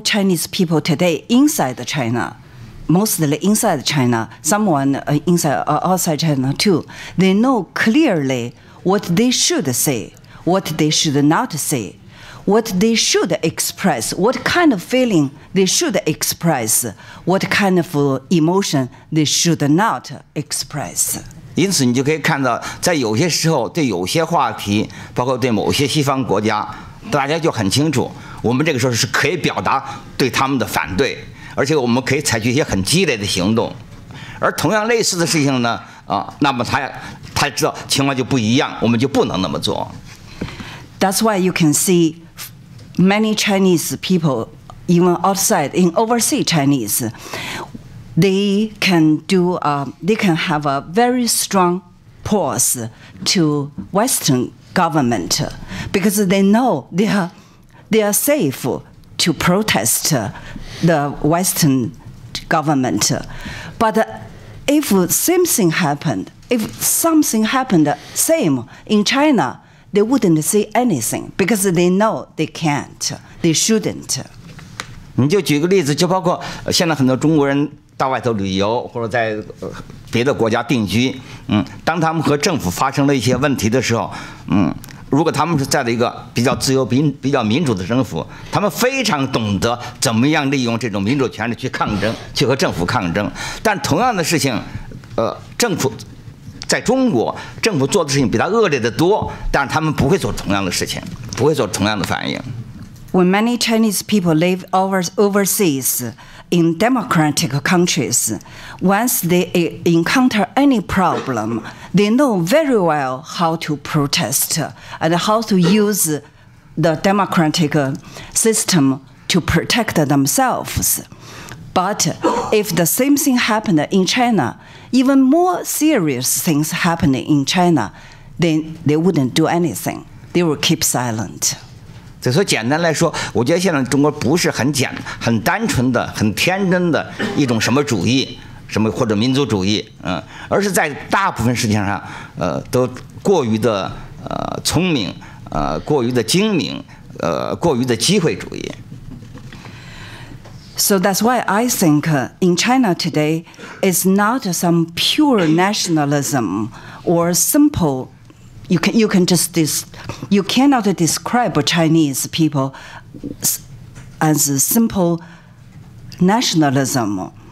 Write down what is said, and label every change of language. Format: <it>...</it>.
<en>Chinese people today inside China, mostly inside China, someone inside outside China too, they know clearly what they should say, what they should not say, what they should express, what kind of feeling they should express, what kind of emotion they should not express.</en> <zh>因此你就可以看到在有些时候对有些话题包括对某些西方国家大家就很清楚我们这个时候是可以表达对他们的反对而且我们可以采取一些很激烈的行动而同样类似的事情呢那么他知道情况就不一样我们就不能那么做</zh> <en>That's why you can see many Chinese people even outside in overseas Chinese they can have a very strong pause to Western government because they know they are safe to protest the Western government. But if same thing happened, if something happened same in China, they wouldn't say anything because they know they can't, they shouldn't.</en> <zh>你就举个例子，就包括现在很多中国人到外头旅游或者在别的国家定居，当他们和政府发生了一些问题的时候，如果他们是在了一个比较自由、比较民主的政府，他们非常懂得怎么样利用这种民主权利去抗争，去和政府抗争。但同样的事情，政府在中国，政府做的事情比他恶劣的多，但是他们不会做同样的事情，不会做同样的反应。</zh> <en>When many Chinese people live overseas in democratic countries, once they encounter any problem, they know very well how to protest and how to use the democratic system to protect themselves. But if the same thing happened in China, even more serious things happen in China, then they wouldn't do anything. They would keep silent.</en> <zh>所以说简单来说我觉得现在中国不是很简很单纯的很天真的一种什么主义什么或者民族主义而是在大部分事情上都过于的聪明过于的精明过于的机会主义</zh> <en>So that's why I think in China today is not some pure nationalism or simpleYou cannot describe Chinese people as simple nationalism.</en>